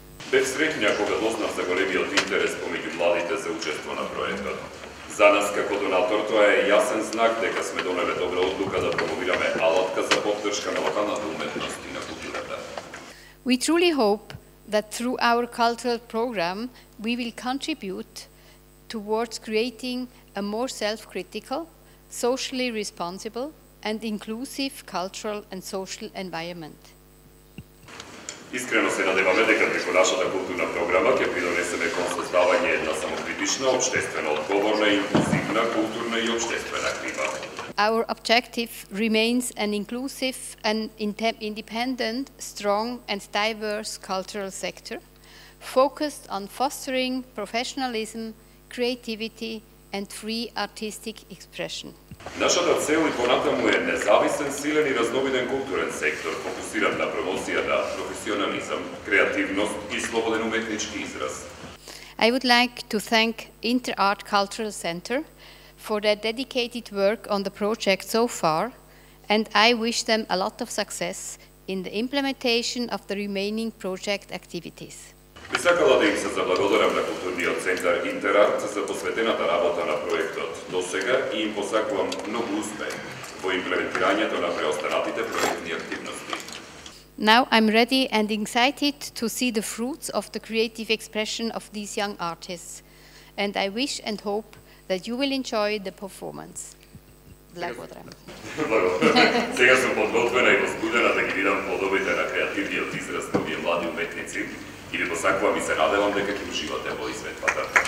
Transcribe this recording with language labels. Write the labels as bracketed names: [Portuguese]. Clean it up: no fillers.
[Macedonian] Бев среќна кога дознав за големиот интерес помеѓу младите за учество на проектот. За нас како донатор тоа е јасен знак дека сме донеле добра одлука да промовираме алатка за поддршка на локалната уметност. [English] We truly hope that through our cultural program, we will contribute towards creating a more self-critical, socially responsible, and inclusive cultural and social environment. [Macedonian] Искрено се надеваме дека преку нашата културна програма ќе придонесеме кон создавање една самокритична, обштествена, одговорна, инклузивна, културна и обштествена клима. [English] Our objective remains an inclusive and independent, strong and diverse cultural sector focused on fostering professionalism, creativity and free artistic expression. [Macedonian] Нашата цел и понатаму е независен, силен и разновиден културен сектор фокусиран на промоција на професионализам, креативност и слободен уметнички израз. [English] I would like to thank InterArt Cultural Center for their dedicated work on the project so far, and I wish them a lot of success in the implementation of the remaining project activities. [Macedonian] Би сакала да им се заблагодарам на културниот центар InterArt за посветената работа на проектот до сега и им посакувам многу успех во имплементирањето на преостанатите проектни активности. [English] Now I'm ready and excited to see the fruits of the creative expression of these young artists, and I wish and hope that you will enjoy the performance. [Macedonian] Благодарам. Сега сум подготвена и возбудена да ги видам плодовите на креативниот израз на овие млади уметници и ви посакувам и се надевам дека ќе уживате во изведбата.